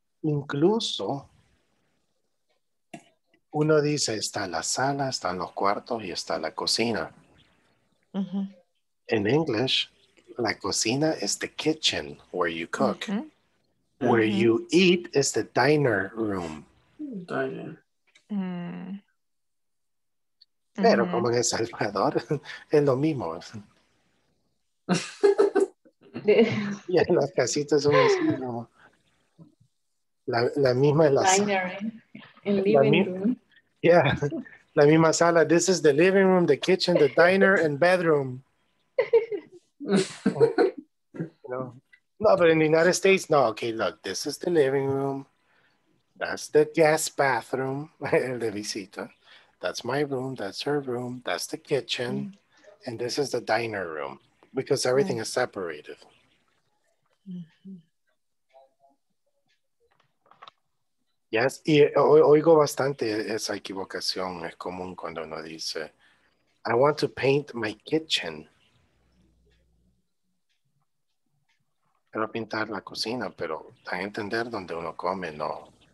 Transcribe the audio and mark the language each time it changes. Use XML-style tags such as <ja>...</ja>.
<es>Incluso, uno dice, está la sala, están los cuartos y está la cocina. Mm-hmm.</es> <en>In English,</en> <es>la cocina</es> <en>is the kitchen where you cook. Mm-hmm. Where mm-hmm. you eat is the diner room. Diner. Mm-hmm.</en> <es>Pero como en El Salvador, es lo mismo. Y en las casitas son así, ¿no? La misma es la</es> <en>diner, sala. Diner, en living room.</en> <es>Yeah, la misma sala.</es> <en>This is the living room, the kitchen, the diner, and bedroom. No, but in the United States, no. Okay, look, this is the living room. That's the guest bathroom,</en> <es>el de visita.</es> <en>That's my room, that's her room, that's the kitchen. Mm-hmm. And this is the diner room, because everything mm-hmm. is separated.</en> <es>Yes, y oigo bastante esa equivocación, es común cuando uno dice,</es> <en>I want to paint my kitchen.</en> <es>Quiero pintar la cocina, pero da a entender donde uno come, no.</es>